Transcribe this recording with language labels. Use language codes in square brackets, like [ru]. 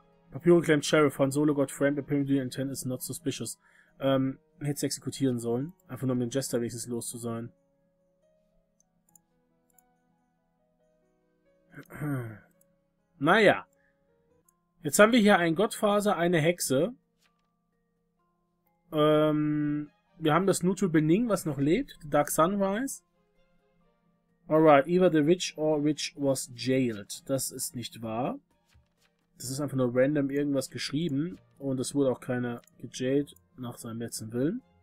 [en] Papyrus claimed Sheriff, Han Solo got framed, apparently the intent is not suspicious. [de] Hätte sie exekutieren sollen, einfach nur um den Jester wenigstens los zu sein. Naja. Jetzt haben wir hier einen Godfather, eine Hexe. Wir haben das Nutu Bening, was noch lebt, the Dark Sunrise. [en] Alright, either the witch or witch was jailed. [de] Das ist nicht wahr. Das ist einfach nur random irgendwas geschrieben und es wurde auch keiner gejailed nach seinem letzten Willen.